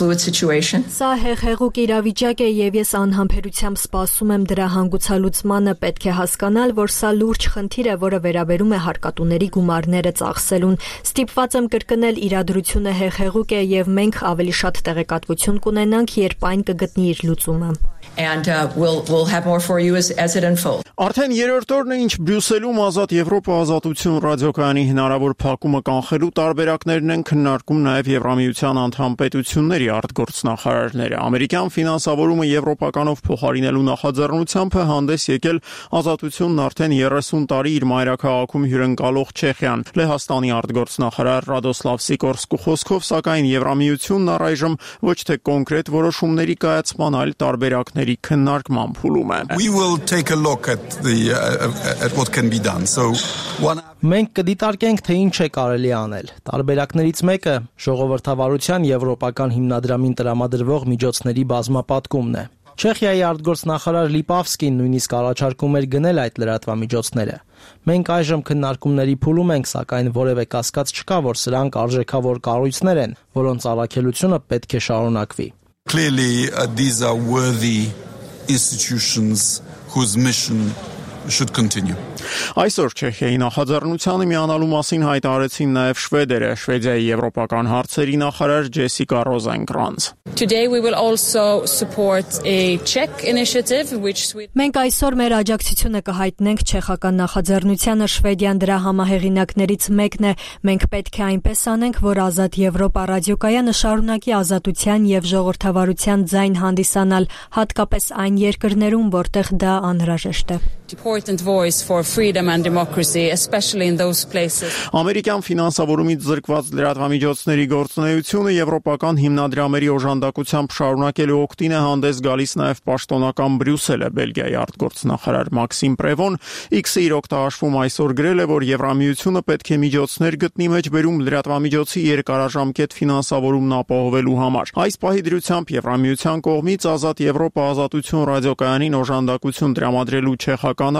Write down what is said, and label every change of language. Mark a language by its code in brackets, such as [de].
[hy] Սա հեղ-հեղուկ իրավիճակ է և ես անհամբերությամբ սպասում եմ դրա հանգուցալուծմանը։ Պետք է հասկանալ, որ սա լուրջ խնդիր է, որը վերաբերում է հարկատուների գումարները ծախսելուն։ Ստիպված եմ կրկնել, իրադրությունը հեղ-հեղուկ է և մենք ավելի շատ տեղեկատվություն կունենանք, երբ այն կգտնի իր լուծումը։ [en] And we'll have more for you as it unfolds. [hy] Արդեն երրորդ օրն է, ինչ Բրյուսելում Ազատ Եվրոպա Ազատություն ռադիոկայանի հնարավոր փակումը կանխելու տարբերակներն են քննարկում նաև Եվրամիության անդամ պետությունների արտգործնախարարները։ Ամերիկյան ֆինանսավորումը եվրոպականով փոխարինելու նախաձեռնությամբը հանդես եկել Ազատությունն արդեն 30 տարի իր մայրաքաղաքում հյուրընկալող Չեխիան։ Լեհաստանի արտգործնախարար Ռադոսլավ Սիկորսկու խոսքով, սակայն Եվրամիությունն առայժմ ոչ թե կոնկրետ որոշումների կայացման, այլ տարբեր ակների քննարկման փուլում է։ [en] We will take a look at what can be done. So one [hy] Մենք կդիտարկենք, թե ինչ է կարելի անել։ Տարբերակներից մեկը ժողովրդավարության եվրոպական հիմնադրամին տրամադրվող միջոցների բազմապատկումն է։ Չեխիայի արտգործնախարար Լիպավսկին նույնիսկ առաջարկում էր գնել այդ լրատվամիջոցները։ Մենք այժմ քննարկումների փուլում ենք, սակայն որևէ կասկած չկա, որ սրանք արժեքավոր կառույցներ են, որոնց առաքելությունը պետք է շարունակվի։ [en] Clearly, these are worthy institutions whose mission should continue. [hy] Այսօր Չեխիայի նախաձեռնությանը միանալու մասին հայտարարեցին նաև շվեդերը, Շվեդիայի եվրոպական հարցերի նախարար Ջեսիկա Ռոզենկրանց։ [en] Today we will also support a Czech initiative which [hy] Մենք այսօր մեր աջակցությունը կհայտնենք Չեխական նախաձեռնությանը, Շվեդիան դրա համահեղինակներից մեկն է։ Մենք պետք է այնպես անենք, որ Ազատ Եվրոպա ռադիոկայանը շարունակի ազատության և ժողովրդավարության ձայն հանդիսանալ, հատկապես այն երկրներում, որտեղ դա անհրաժեշտ է։ [en] Important voice for freedom and democracy, especially in those places. [hy] Ամերիկյան ֆինանսավորումից զրկված լրատվամիջոցների գործունեությունը եվրոպական հիմնադրամերի օժանդակությամբ շարունակելու օգտին է հանդես գալիս նաև պաշտոնական Բրյուսելը, Բելգիայի արտգործնախարար Մաքսիմ Պրևոն X-ի իր օկտահաշվում այսօր գրել է, որ Եվրամիությունը պետք է միջոցներ գտնի մեջբերում լրատվամիջոցի երկարաժամկետ ֆինանսավորումն ապահովելու համար։ Այս պահի դրությամբ Եվրամիության կողմից Ազատ Եվրոպա Ազատություն ռադիոկայանին օժանդակություն տրամադրելու չեխական